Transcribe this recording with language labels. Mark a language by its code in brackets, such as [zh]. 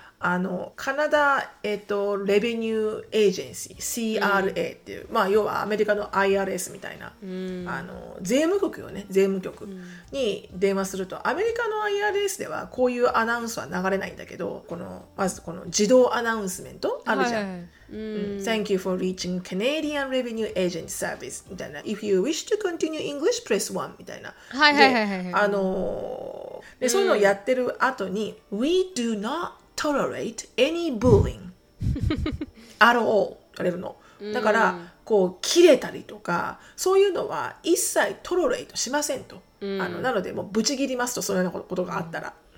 [ja] あのカナダ、レベニューエージェンシー CRA っていう、うん、まあ要はアメリカの IRS みたいな、うん、あの税務局よね、税務局に電話すると、アメリカの IRS ではこういうアナウンスは流れないんだけど、このまずこの自動アナウンスメントあるじゃん、はいはい、 [en] Thank you for reaching Canadian Revenue Agency Service [ja] みたいな。 [en] If you wish to continue English, press 1 [ja] みたいな。はいはいはいはい。で、そういうのをやってる後に、 [en] We do not tolerate any bullying at all [ja] 言われるの。だから、こう、切れたりとか、そういうのは一切 tolerate しませんと。なので、もうブチ切りますと、そういうようなことがあったら。